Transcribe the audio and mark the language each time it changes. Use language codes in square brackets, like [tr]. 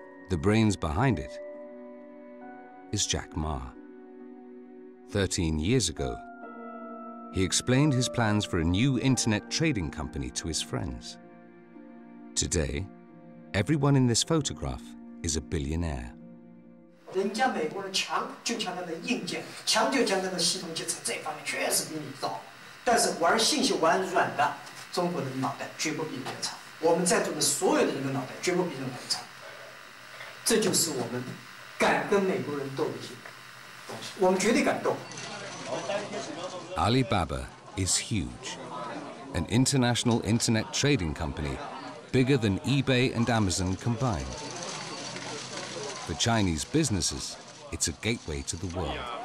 [en] The brains behind it is Jack Ma. 13 years ago, he explained his plans for a new internet trading company to his friends. Today, everyone in this photograph is a billionaire. [zh] 人家美国人强就强在那硬件，强就强在那系统建设，这方面确实比你早。但是玩信息玩软的，中国人的脑袋绝不比人家差。我们在座的所有的人的脑袋绝不比人家差。这就是我们敢跟美国人斗的一些东西，我们绝对敢斗。 [en] Alibaba is huge, an international internet trading company, bigger than eBay and Amazon combined. For Chinese businesses, it's a gateway to the world.